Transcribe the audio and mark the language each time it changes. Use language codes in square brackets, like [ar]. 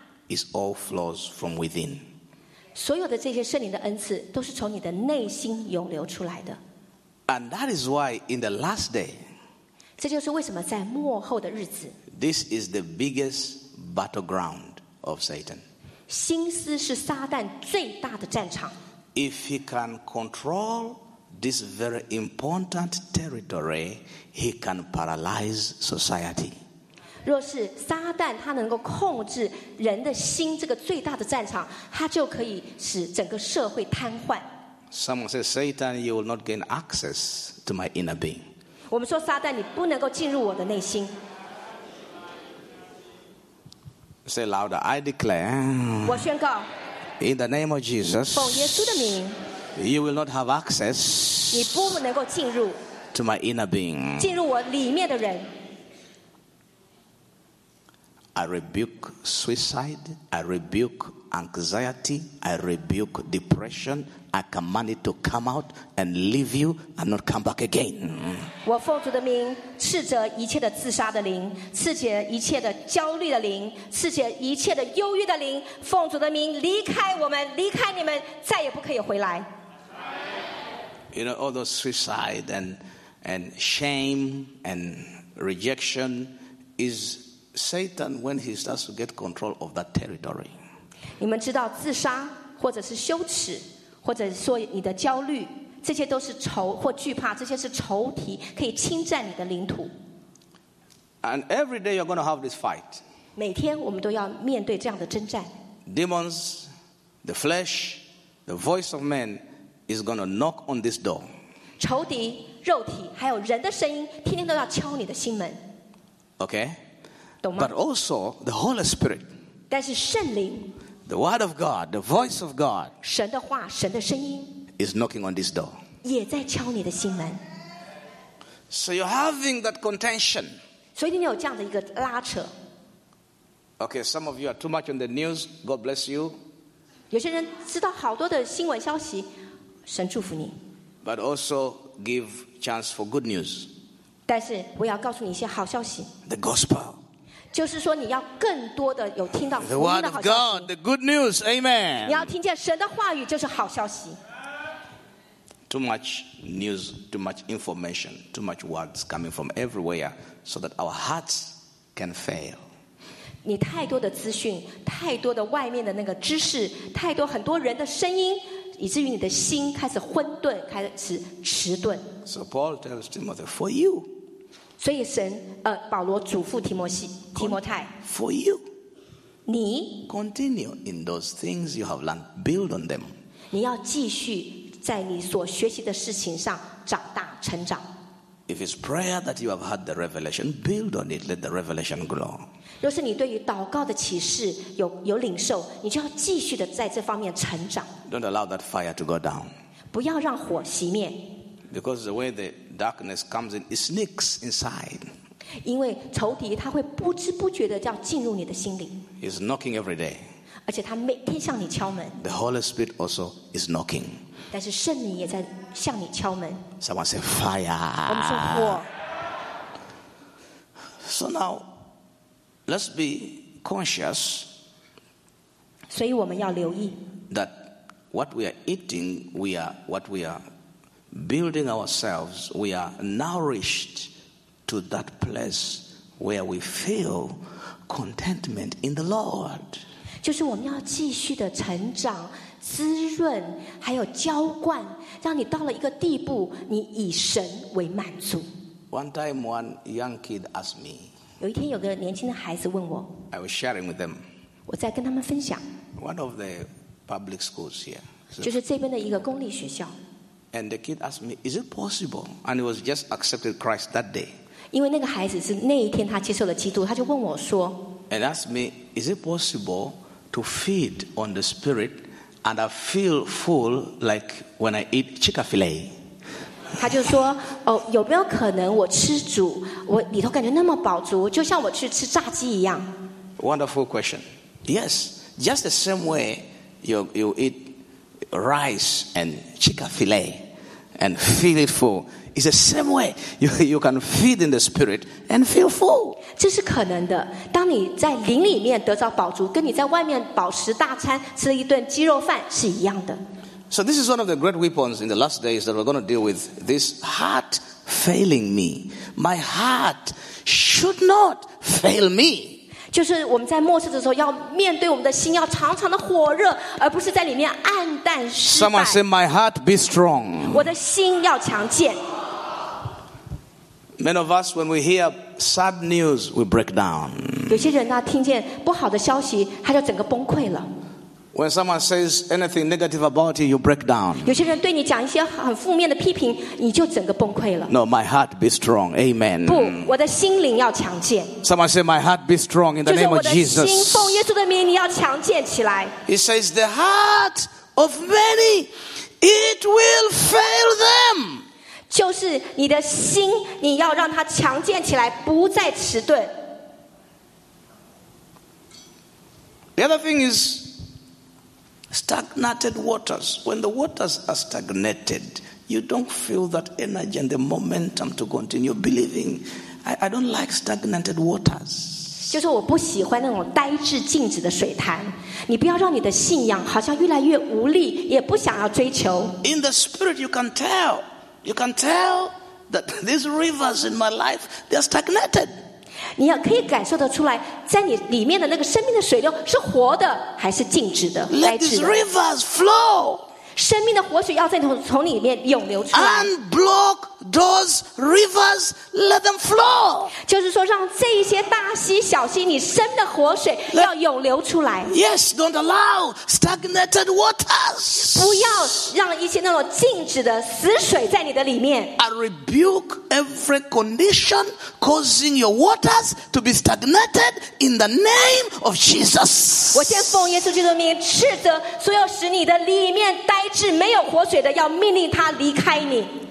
[en] Is all flows from within. [zh] 所有的这些圣灵的恩赐都是从你的内心涌流出来的。 [en] And that is why in the last day, [zh] 这就是为什么在末后的日子。 [en] This is the biggest battleground of Satan. [zh] 心思是撒旦最大的战场。 [en] If he can control this very important territory, he can paralyze society. [zh] 若是撒旦他能够控制人的心这个最大的战场，他就可以使整个社会瘫痪。 [en] Someone says, Satan, you will not gain access to my inner being. [zh] 我们说撒旦，你不能够进入我的内心。 [en] Say louder, I declare. [zh] 我宣告。 [en] In the name of Jesus, [zh] 奉耶稣的名, [en] you will not have access [zh] 你不能够进入, [en] to my inner being. [zh] 进入我里面的人。 [en] I rebuke suicide. I rebuke anxiety. I rebuke depression. I command it to come out and leave you and not come back again. [zh] 我奉主的名，斥责一切的自杀的灵，斥责一切的焦虑的灵，斥责一切的忧郁的灵。奉主的名，离开我们，离开你们，再也不可以回来。 [en] You know all those suicide and shame and rejection is. Satan, when he starts to get control of that territory, [zh] 你们知道自杀或者是羞耻，或者说你的焦虑，这些都是仇或惧怕，这些是仇敌，可以侵占你的领土。 [en] And every day you're going to have this fight. [zh] 每天我们都要面对这样的征战。 [en] Demons, the flesh, the voice of man is going to knock on this door. [zh] 仇敌、肉体还有人的声音，天天都要敲你的心门。 [en] Okay. But also the Holy Spirit. [zh] 但是圣灵 [en] The word of God, the voice of God. [zh] 神的话，神的声音 [en] Is knocking on this door. [zh] 也在敲你的心门 [en] So you're having that contention. [zh] 所以你有这样的一个拉扯 [en] Okay, some of you are too much on the news. God bless you. [zh] 有些人知道好多的新闻消息，神祝福你 [en] But also give chance for good news. [zh] 但是我要告诉你一些好消息 [en] The gospel. [zh] 就是说你要更多的有听到福音的好消息 [en] The word of God, the good news, amen [zh] 你要听见神的话语就是好消息 [en] Too much news, too much information Too much words coming from everywhere So that our hearts can fail [zh] 你太多的资讯太多的外面的那个知识太多很多人的声音以至于你的心开始混沌开始迟钝 [en] So Paul tells Timothy, for you [zh] 所以神保罗嘱咐提摩西提摩太 [en] For you [zh] 你 [en] Continue in those things you have learned Build on them [zh] 你要继续在你所学习的事情上长大成长 [en] If it's prayer that you have had the revelation Build on it, let the revelation grow [zh] 若是你对于祷告的启示 有领受你就要继续的在这方面成长 [en] Don't allow that fire to go down [zh] 不要让火熄灭 [en] Because the way that Darkness comes in, it sneaks inside. [zh] 因为仇敌他会不知不觉的要进入你的心里。 [en] He's knocking every day. [zh] 而且他每天向你敲门。 [en] The Holy Spirit also is knocking. [zh] 但是圣灵也在向你敲门。 [en] Someone say fire. [zh] 我们说火。 [en] So now, let's be conscious. [zh] 所以我们要留意。 [en] That what we are eating, we are what we are. Building ourselves, we are nourished to that place where we feel contentment in the Lord. [zh] 就是我们要继续的成长，滋润，还有浇灌，让你到了一个地步，你以神为满足。 [en] One time, one young kid asked me. [zh] 有一天，有个年轻的孩子问我。 [en] I was sharing with them. [zh] 我在跟他们分享。 [en] One of the public schools here. [zh] 就是这边的一个公立学校。 [en] And the kid asked me, "Is it possible?" And he was just accepted Christ that day. [zh] 因为那个孩子是那一天他接受了基督，他就问我说。 [en] And asked me, "Is it possible to feed on the Spirit and I feel full like when I eat Chick-fil-A?" [zh] 他就说，哦，有没有可能我吃主，我里头感觉那么饱足，就像我去吃炸鸡一样 [en] ？Wonderful question. Yes, just the same way you eat. Rice and chicken fillet, and feel it full. It's the same way. You can feed in the spirit and feel full. [zh] 这是可能的。当你在灵里面得到饱足，跟你在外面饱食大餐，吃了一顿鸡肉饭是一样的。 [en] So this is one of the great weapons in the last days that we're going to deal with. This heart failing me. My heart should not fail me. [zh] 就是我们在末世的时候要面对我们的心要常常的火热，而不是在里面暗淡失败。 [en] Someone say, my heart be strong. [zh] 我的心要强健。 [en] Many of us, when we hear sad news, we break down. [zh] 有些人听见不好的消息，他就整个崩溃了。 [en] When someone says anything negative about you, you break down. [zh] 有些人对你讲一些很负面的批评，你就整个崩溃了。 [en] No, my heart be strong. Amen. [zh] 不，我的心灵要强健。 [en] Someone say, my heart be strong in the name of Jesus. [zh] 就是我的心，奉耶稣的名，你要强健起来。 [en] He says, the heart of many, it will fail them. [zh] 就是你的心，你要让它强健起来，不再迟钝。 [en] The other thing is,Stagnated waters. When the waters are stagnated, you don't feel that energy and the momentum to continue believing. I don't like stagnated waters. [zh] 就是我不喜欢那种呆滞静止的水潭。你不要让你的信仰好像越来越无力，也不想要追求。 [en] In the spirit, you can tell. You can tell that these rivers in my life, they are stagnated. [zh] 你可以感受得出来，在你里面的那个生命的水流是活的还是静止的？ [en] Let these rivers flow. [zh] 生命的活水要在从里面涌流出来。 [en] Unblock those rivers, let them flow. [zh] 就是说，让这一些大溪、小溪，你生命的活水要涌流出来。 [en] Yes, don't allow stagnated waters. [zh] 不要让一些那种静止的死水在你的里面。 [en] I rebuke every condition causing your waters to be stagnated in the name of Jesus. [zh] 我先奉耶稣基督的名斥责所有使你的里面呆滞、没有活水的，要命令他离开你。